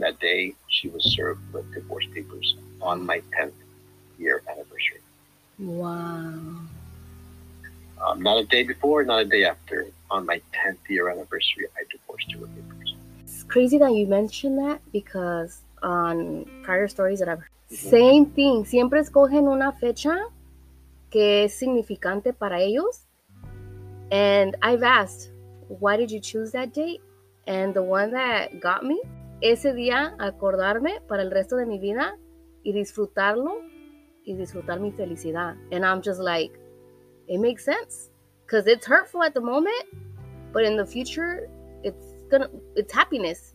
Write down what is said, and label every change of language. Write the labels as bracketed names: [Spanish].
[English] that day, she was served with divorce papers on my 10th year anniversary. Wow. Not a day before, not a day after. On my 10th year anniversary, I divorced her with papers. It's crazy that you mentioned that because on prior stories that I've heard, mm-hmm. same thing. [Spanish] Siempre escogen una fecha que es significante para ellos. [English] And I've asked, why did you choose that date? And the one that got me, [Spanish] ese día acordarme para el resto de mi vida y disfrutarlo y disfrutar mi felicidad. [English] And I'm just like, it makes sense. Because it's hurtful at the moment, but in the future, it's happiness.